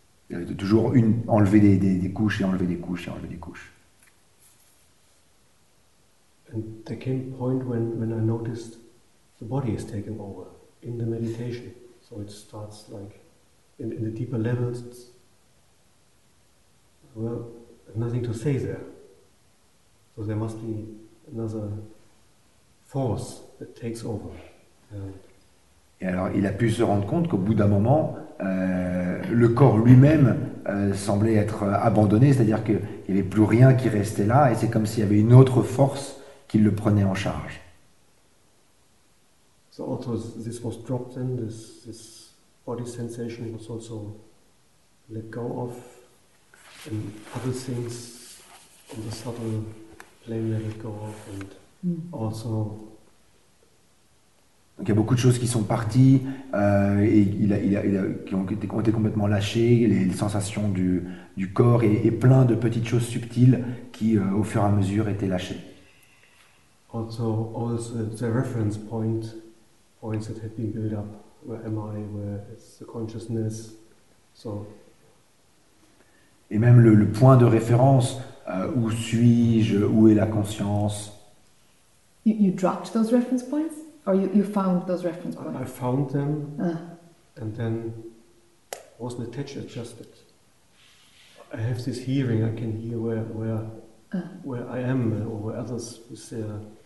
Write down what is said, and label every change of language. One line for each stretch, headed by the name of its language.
French: De toujours enlever des couches et enlever des couches et enlever des couches.
English: And there came a point when I noticed the body is taking over in the meditation. So it starts like in the deeper levels. Well, nothing to say there. So there must be another force that takes over.
French: Et alors, il a pu se rendre compte qu'au bout d'un moment, le corps lui-même semblait être abandonné, c'est-à-dire qu'il n'y avait plus rien qui restait là, et c'est comme s'il y avait une autre force qui le prenait en charge.
English: So also this was dropped then, this body sensation was also let go of, and other things on the subtle plane let go of, and also...
French: Donc il y a beaucoup de choses qui sont parties et qui ont été complètement lâchées, les sensations du corps et plein de petites choses subtiles qui, au fur et à mesure, étaient lâchées.
English: Also, all the reference points that had been built up, where am I, where is the consciousness, so...
French: Et même le point de référence, où suis-je, où est la conscience...
English: You dropped those reference points? Or you found those reference points? I found them, and then I wasn't attached, it's just that I have this hearing, I can hear where I am, or where others is there.